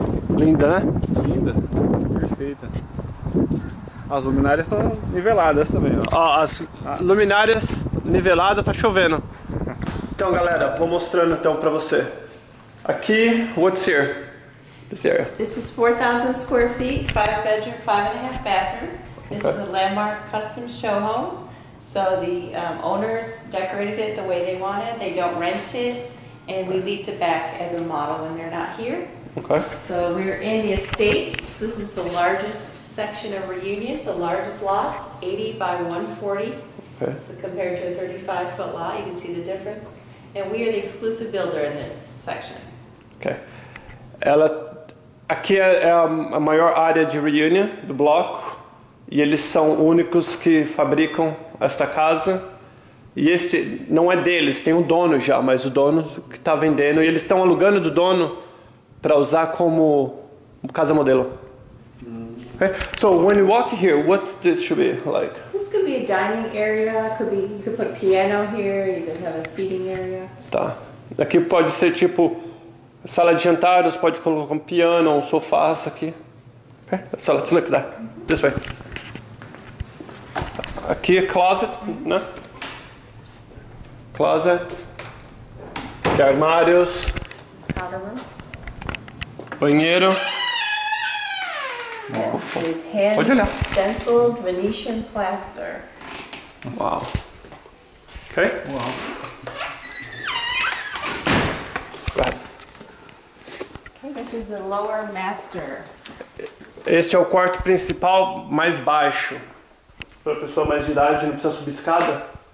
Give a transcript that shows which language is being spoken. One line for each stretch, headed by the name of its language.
Portuguese: Linda, né? Linda. Perfeita. As luminárias estão niveladas também, ó. Ó, as luminárias niveladas, tá chovendo. Então, galera, vou mostrando então pra você. Aqui,
English: what's here? This area. This is 4,000 square feet, 5 bedroom, 5.5 bathroom. This is a landmark custom show home. So the owners decorated it the way they wanted. They don't rent it, and we lease it back as a model when they're not here. Okay. So we're in the estates. This is the largest section of Reunion, the largest lots, 80 by 140. Okay. So compared to a 35-foot lot, you can see the difference. And we are the exclusive builder in this section. Okay.
Portuguese: Ela, aqui é a maior área de Reunion, do bloco, e eles são únicos que fabricam esta casa. E este não é deles, tem um dono já, mas o dono que está vendendo, e eles estão alugando do dono para usar como casa modelo.
English: Okay. So when you walk here, what this should be like? This could be a dining area, could be, you could put a piano here, you could have a seating area.
Portuguese: Tá. Aqui pode ser tipo sala de jantar, você pode colocar um piano, um sofá aqui.
English: Okay. So let's look at that. Mm-hmm. This way.
Portuguese: Aqui é closet, mm-hmm. né? Closet. Aqui armários. Banheiro.
English: Yeah.
Portuguese: Ufa. Pode olhar.
English: Stenciled Venetian plaster. Uau. Ok? Uau. Right. Okay, this is the lower master.
Portuguese: Este é o quarto principal mais baixo. Para a pessoa mais de idade, não precisa subir escada.